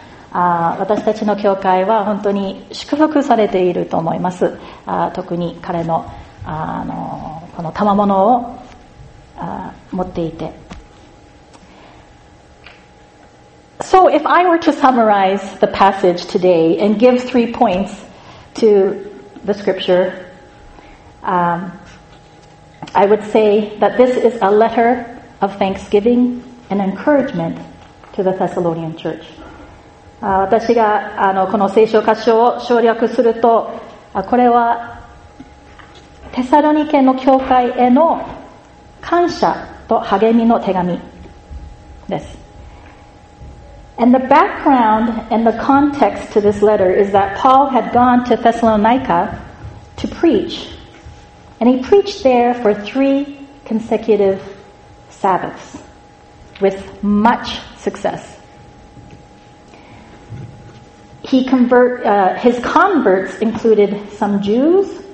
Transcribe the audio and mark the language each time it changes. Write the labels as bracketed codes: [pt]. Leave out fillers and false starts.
[ja] 私たちの教会は本当に祝福されていると思います。特に彼のこの賜物を持っていて。 [en] So if I were to summarize the passage today and give three points to the scripture, I would say that this is a letter of thanksgiving and encouragement to the Thessalonian church. [ja] 私がこの聖書箇所を省略すると、これはテサロニケの教会への感謝と励みの手紙です。 [en] And the background and the context to this letter is that Paul had gone to Thessalonica to preach, and he preached there for three consecutive Sabbaths with much successHis converts included some Jews,